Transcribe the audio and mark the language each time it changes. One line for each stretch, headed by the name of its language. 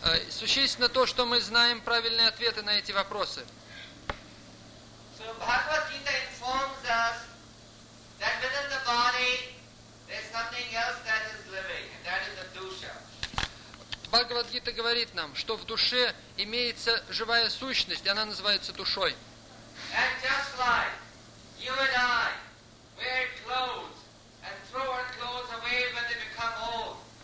Russian: Существенно то, что мы знаем правильные ответы на эти вопросы.
English: So Bhagavad-gita informs us that within the body there's something else that is living, and that is the dusha.
Russian: Бхагавад-гита говорит нам, что в душе имеется живая сущность, и она называется душой.
English: And just like you and I wear clothes and throw our clothes away when they become old.